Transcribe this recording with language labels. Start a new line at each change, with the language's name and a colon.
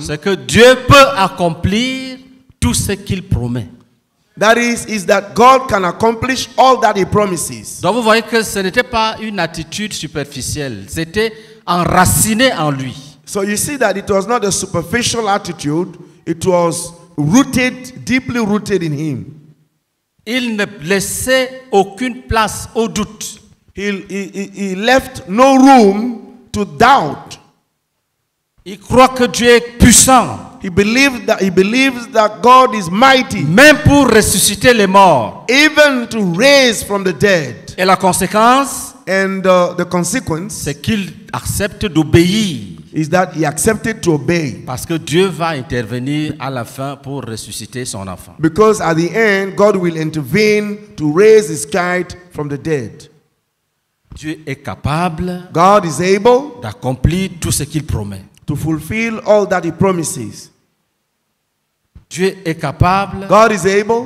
French: c'est que Dieu peut accomplir tout ce qu'il promet.
English: That is that God can accomplish all that he promises.
French: Donc vous voyez que ce n'était pas une attitude superficielle, c'était enraciné en lui.
English: So you see that it was not a superficial attitude, it was rooted, deeply rooted in him.
French: Il ne laissait aucune place au doute.
English: He left no room to doubt.
French: Il croit que Dieu est puissant.
English: He believes that God is mighty.
French: Même pour ressusciter les morts.
English: Even to raise from the dead.
French: Et la conséquence?
English: And the consequence?
French: C'est qu'il accepte d'obéir.
English: Is that he accepted to obey?
French: Parce que Dieu va intervenir à la fin pour ressusciter son enfant.
English: Because at the end, God will intervene to raise his child from the dead.
French: Dieu est capable.
English: God is able.
French: D'accomplir tout ce qu'il promet.
English: To fulfill all that he promises.
French: Dieu est capable.
English: God is able.